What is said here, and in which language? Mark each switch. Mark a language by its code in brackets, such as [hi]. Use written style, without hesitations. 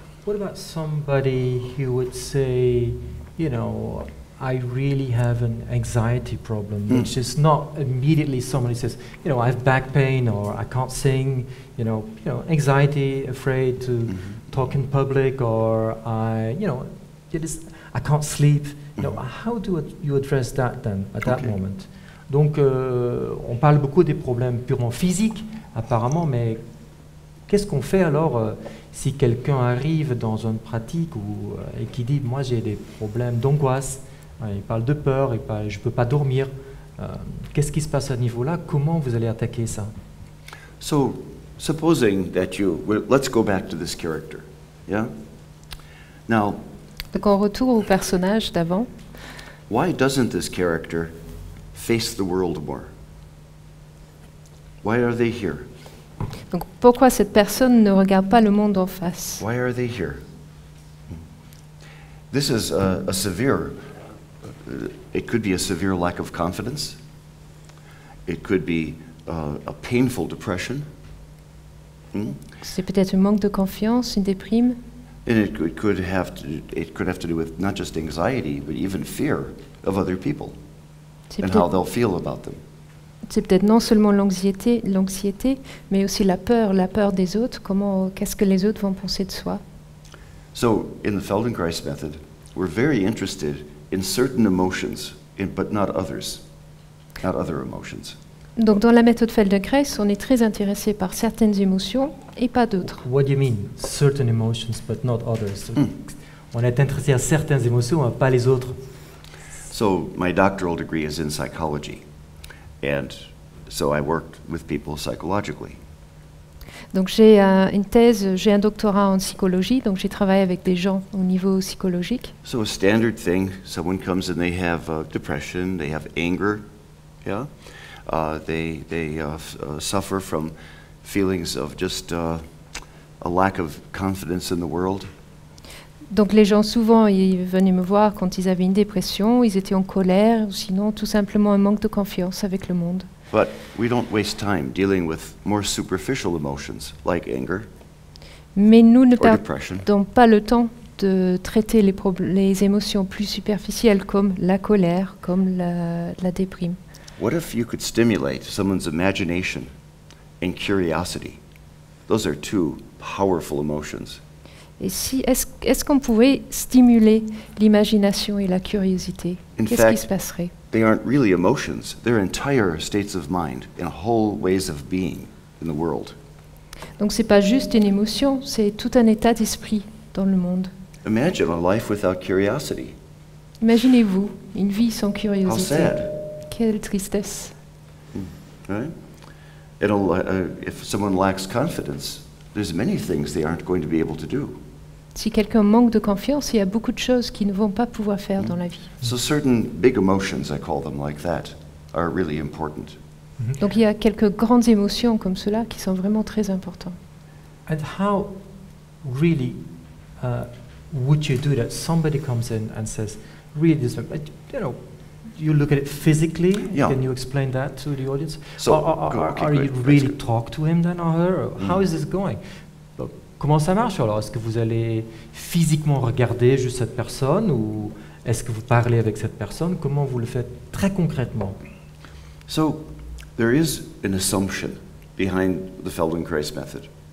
[en] What about somebody who would say, you know, I really have an anxiety problem, which is not immediately somebody says, you know, I have back pain or I can't sing, you know, anxiety, afraid to talk in public, or I, you know, it is, I can't sleep. You know, how do you address that then at that moment? [fr] Donc, on parle beaucoup des problèmes purement physiques, apparemment, mais qu'est-ce qu'on fait alors si quelqu'un arrive dans une pratique où, et qui dit, moi j'ai des problèmes d'angoisse, il parle de peur, il parle, je ne peux pas dormir. Qu'est-ce qui se passe à ce niveau-là? Comment vous allez attaquer ça? [en] So, supposing that you, let's go back to this character. Yeah? Now, [fr] donc on retourne au personnage d'avant. [en] Why doesn't this character face the world more? Why are they here? [fr] Donc pourquoi cette personne ne regarde pas le monde en face? [en] Why are they here? This is a severe, it could be a severe lack of confidence. It could be a painful depression. [fr] C'est peut-être un manque de confiance, une déprime. [en] And it could have to do with not just anxiety, but even fear of other people and how they'll feel about them. [fr] C'est peut-être non seulement l'anxiété, mais aussi la peur des autres. Qu'est-ce que les autres vont penser de soi? [en] So, in the Feldenkrais method, we're very interested in certain emotions, but not others, not other emotions. [fr] Donc, dans la méthode Feldenkrais, on est très intéressé par certaines émotions et pas d'autres. [en] What do you mean, certain emotions, but not others? Mm. [fr] On est intéressé à certaines émotions, mais pas les autres. [en] So, my doctoral degree is in psychology. And so I worked with people psychologically. [fr] Donc j'ai une thèse, j'ai un doctorat en psychologie, donc j'ai travaillé avec des gens au niveau psychologique. [en] So a standard thing, someone comes and they have depression, they have anger, yeah? They suffer from feelings of just a lack of confidence in the world. [fr] Donc les gens souvent ils venaient me voir quand ils avaient une dépression, ils étaient en colère, ou sinon tout simplement un manque de confiance avec le monde. [en] But we don't waste time dealing with more superficial emotions like anger. [fr] Mais nous ne perdons pas le temps de traiter les émotions plus superficielles comme la colère, comme la déprime. [en] What if you could stimulate someone's imagination and curiosity? Those are two powerful emotions. [fr] Et si, est-ce qu'on pouvait stimuler l'imagination et la curiosité? [en] In [fr] qu'est-ce qui se passerait? [en] They aren't really emotions, they're entire states of mind and whole ways of being in the world. [fr] Donc c'est pas juste une émotion, c'est tout un état d'esprit dans le monde. [en] Imagine a life without curiosity. [fr] Imaginez-vous une vie sans curiosité. [en] How sad. [fr] Quelle tristesse. [en] Right? If someone lacks confidence, there's many things they aren't going to be able to do. [fr] Si quelqu'un manque de confiance, il y a beaucoup de choses qu'ils ne vont pas pouvoir faire dans la vie. [en] So certain big emotions, I call them like that, are really important. [fr] Donc il y a quelques grandes émotions comme cela qui sont vraiment très importantes. [en] And how really would you do that? Somebody comes in and says, really, this, you know, you look at it physically. Yeah. Can you explain that to the audience? So, are you really talk to him then or her? How is this going? [fr] Comment ça marche alors? Est-ce que vous allez physiquement regarder juste cette personne ou est-ce que vous parlez avec cette personne? Comment vous le faites très concrètement? [en] So, there is an assumption behind the Feldenkrais method.